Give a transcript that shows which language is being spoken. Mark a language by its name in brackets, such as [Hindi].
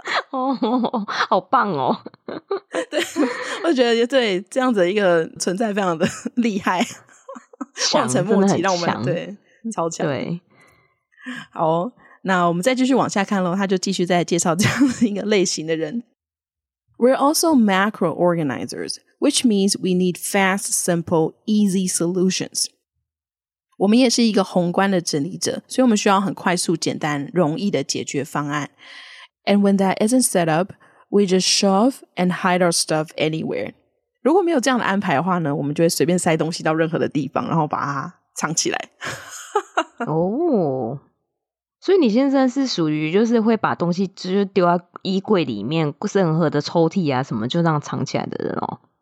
[Chinese] 哦，好棒哦。对，我觉得对这样子的一个存在非常的厉害，望尘莫及，让我们对超强。对，好、哦。那我们再继续往下看咯，他就继续在介绍这样的一个类型的人。 [English] We're also macro organizers, which means we need fast, simple, easy solutions. [Chinese] 我们也是一个宏观的整理者，所以我们需要很快速简单容易的解决方案。 [English] And when that isn't set up, we just shove and hide our stuff anywhere. [Chinese] 如果没有这样的安排的话呢，我们就会随便塞东西到任何的地方，然后把它藏起来。哦。oh. 所以你先生是属于就是会把东西就丢在衣柜里面任何的抽屉啊什么就让藏起来的人哦？